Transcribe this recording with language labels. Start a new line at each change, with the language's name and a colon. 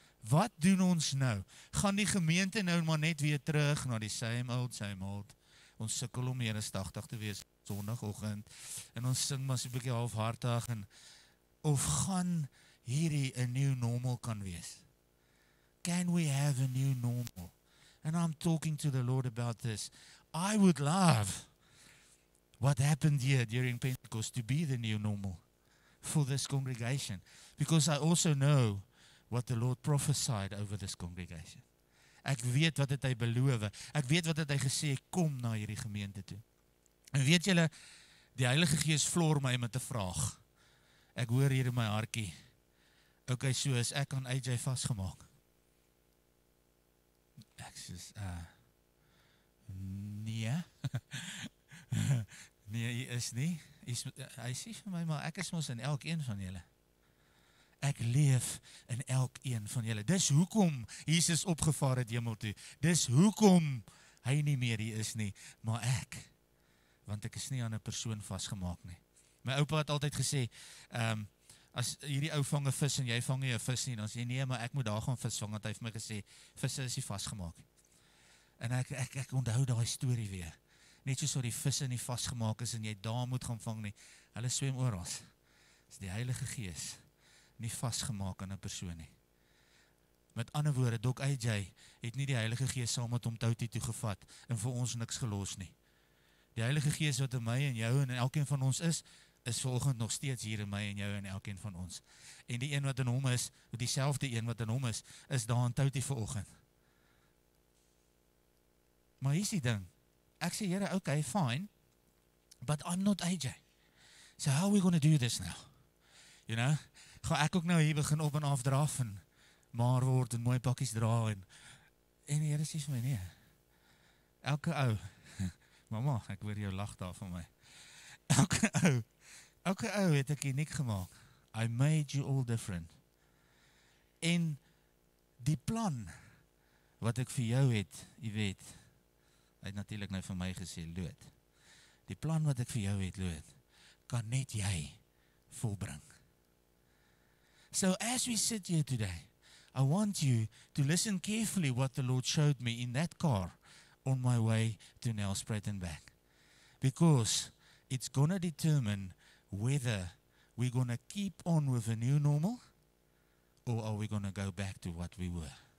Afrikaans: Wat doen ons nou? Gaan die gemeente nou maar net weer terug na die same old. Ons sukkel om meer as 80 te wees sonoggend en ons sing maar so 'n bietjie halfhartig en of gaan hierdie 'n new normal kan wees?
English: Can we have a new normal? And I'm talking to the Lord about this. I would love what happened here during Pentecost to be the new normal for this congregation. Because I also know what the Lord prophesied over this congregation.
Afrikaans: Ek weet wat het hy beloof. Ek weet wat het hy gesê, kom na hierdie gemeente toe. En weet julle, die Heilige Gees vloer my met 'n vraag. Ek hoor hier in my hartjie. Okay, so is ek aan AJ vasgemaak. Ek sê, nee. Nee, hy is nie. Hy sê vir my, maar ek is mos in elk een van julle. Ek leef in elk een van julle. Dis hoekom Jesus opgevaar het hemel toe. Dis hoekom hy nie meer hier is nie, maar ek. Want ek is nie aan 'n persoon vasgemaak nie. My oupa het altyd gesê, as hierdie ou vang 'n vis en jy vang nie 'n vis nie, dan sê nee, maar ek moet daar gaan vis vang, want hy het vir my gesê, visse is nie vasgemaak. En ek onthou daai storie weer. Net soos wat die visse nie vasgemaak is en jy daar moet gaan vang nie. Hulle swem oral. Dis die Heilige Gees. Nie vasgemaak aan 'n persoon nie. Met ander woorde, Doc AJ het nie die Heilige Gees saam met hom toutie toe gevat en vir ons niks gelos nie. Die Heilige Gees wat in my en jou en in elkeen van ons is, is volgend nog steeds hier in my en jou en elkeen van ons. En die een wat in hom is, dieselfde een wat in hom is, is daar in toutie vanoggend. Maar hier is die ding. Ek sê, Here, okay,
English: fine, but I'm not AJ. So how are we going to do this now? You know?
Afrikaans: Ga ek ook nou hier begin op en af draf en maar word en mooi pakkies dra en die Here sê vir my nee. Elke ou, mama, ek hoor jou lach daar van my. Elke ou het ek uniek gemaak.
English: I made you all different.
Afrikaans: En die plan wat ek vir jou het, jy weet, hy het natuurlik nou vir my gesê, Loot. Die plan wat ek vir jou het, Loot, kan net jy volbring.
English: So as we sit here today, I want you to listen carefully what the Lord showed me in that car on my way to Nelspruit and back. Because it's going to determine whether we're going to keep on with a new normal or are we going to go back to what we were.